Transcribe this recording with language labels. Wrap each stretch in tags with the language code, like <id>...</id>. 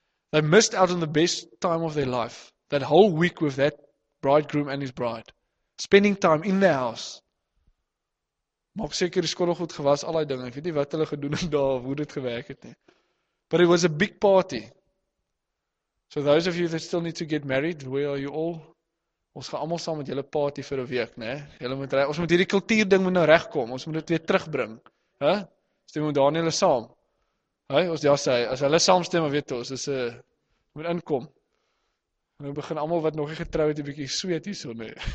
<en>They missed out on the best time of their life. That whole week with that bridegroom and his bride. Spending time in the house.</en> <af>Maak seker die skottel goed gewas, al die dinge. Ek weet nie wat hulle gedoen het daar, hoe dit gewerk het nie.</af> <en>But it was a big party. So those of you that still need to get married, where are you all?</en> <af>Ons gaan allemaal saam met julle party vir 'n week, ne? Ons moet hierdie kultuur ding moet nou regkom. Ons moet dit weer terugbring. Huh? Stem met Daniel saam. Hy, ons ja sê, as hulle saamstem, weet ons, is moet inkom. Nou begin allemaal wat nog nie getrou het, 'n bietjie sweet hier so, nee.</af>